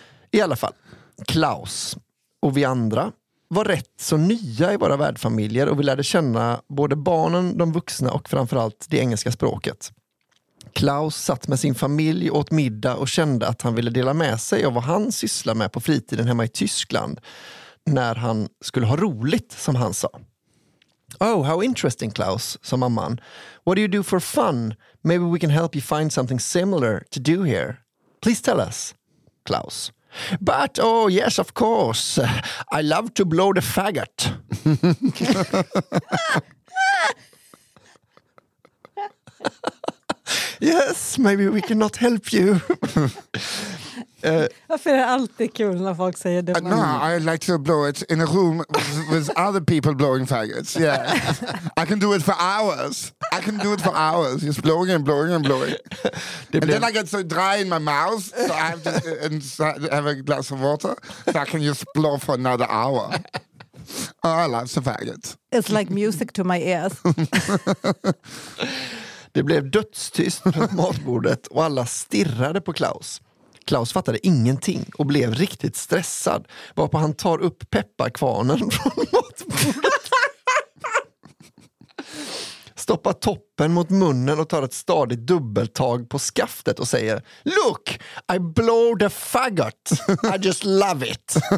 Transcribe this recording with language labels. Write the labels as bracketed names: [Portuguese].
[Swedish] I alla fall, Klaus och vi andra var rätt så nya i våra värdfamiljer och vi lärde känna både barnen, de vuxna och framförallt det engelska språket. Klaus satt med sin familj och åt middag och kände att han ville dela med sig av vad han sysslar med på fritiden hemma i Tyskland när han skulle ha roligt, som han sa. [English] Oh, how interesting, Klaus, [Swedish] sa mamman. [English] What do you do for fun? Maybe we can help you find something similar to do here. Please tell us, Klaus. But, oh yes, of course, I love to blow the faggot. Yes, maybe we cannot help you. [Swedish] Varför är det alltid kul när folk säger det? [English] No, I like to blow it in a room with other people blowing faggots. Yeah, I can do it for hours. I can do it for hours. Just blowing and blowing and blowing. And then I get so dry in my mouth, so I have to have a glass of water, so I can just blow for another hour. Oh, I love the faggots. It's like music to my ears. [Swedish] Det blev dödstyst på matbordet och alla stirrade på Klaus. Klaus fattade ingenting och blev riktigt stressad, varpå han tar upp pepparkvarnen från matbordet. Stoppar toppen mot munnen och tar ett stadigt dubbeltag på skaftet och säger, [English] look, I blow the faggot, I just love it.